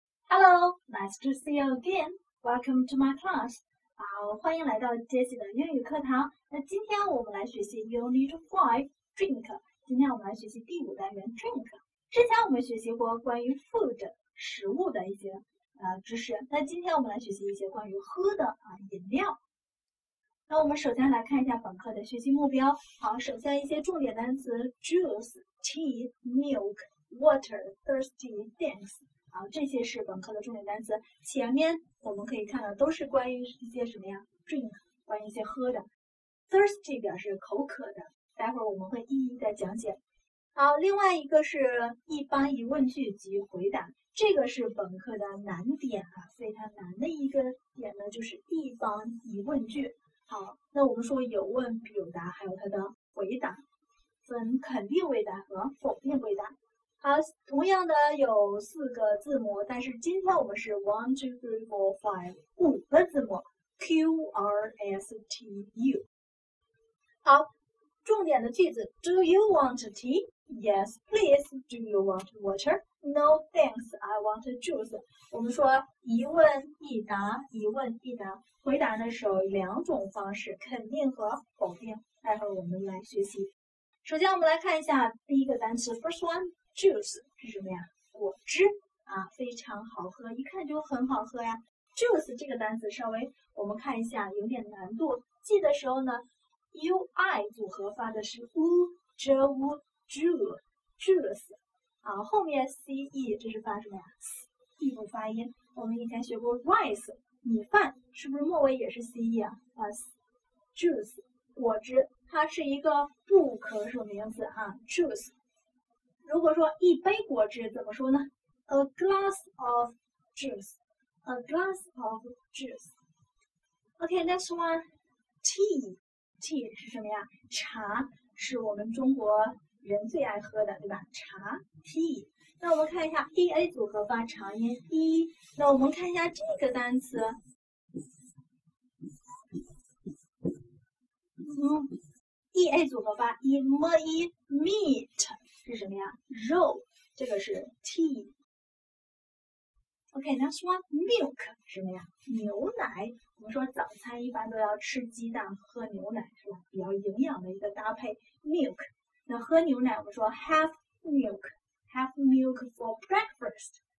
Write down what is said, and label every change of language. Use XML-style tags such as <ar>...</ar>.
<en>Hello, nice to see you again. Welcome to my class.</en> <zh>欢迎来到 Jessie 的英语课堂。那今天我们来学习 Unit 5 Drink。今天我们来学习第五单元 Drink。之前我们学习过关于 food 食物的一些知识。那今天我们来学习一些关于喝的饮料。那我们首先来看一下本课的学习目标。首先一些重点单词 juice、tea、milk、water、thirsty、thanks。这些是本科的重点单词，前面我们可以看到都是关于一些什么呀，drink，关于一些喝的。 Thirsty 表示口渴的，待会儿我们会一一再讲解。好，另外一个是一般疑问句及回答，这个是本科的难点啊，非常难的一个点呢，就是一般疑问句。好，那我们说有问必有答，还有它的回答，分肯定回答和否定回答。同样的有四个字母，但是今天我们是</zh> <en>one two three four five</en> <zh>五个字母 Q R S T U。好，重点的句子</zh> <en>Do you want tea? Yes, please. Do you want water? No, thanks. I want juice.</en> <zh>我们说一问一答，一问一答，回答的时候有两种方式，肯定和否定。待会儿我们来学习。首先我们来看一下第一个单词 first one。 Juice 是什么呀？果汁啊，非常好喝，一看就很好喝呀。 Juice 这个单词稍微我们看一下，有点难度。记的时候呢，UI 组合发的是 u z u ju juice 啊，后面 CE 这是发什么呀？E 不发音。我们以前学过 rice 米饭，是不是末尾也是 CE 啊？S juice 果汁，它是一个不可数名词啊，juice。如果说一杯果汁怎么说呢？</zh> <en>A glass of juice, a glass of juice. Okay, next one, tea. Tea 是什么呀？</en> <zh>茶是我们中国人最爱喝的，对吧？茶 tea。那我们看一下 ea 组合发长音 e。那我们看一下这个单词，ea 组合发 e m e meat。是什么呀？肉，这个是 tea。</zh> <en>Okay, next one, milk 什么呀？</en> <zh>牛奶。我们说早餐一般都要吃鸡蛋喝牛奶，是吧？比较营养的一个搭配。Milk。那喝牛奶，我们说</zh> <en>have milk, have milk for breakfast。</en>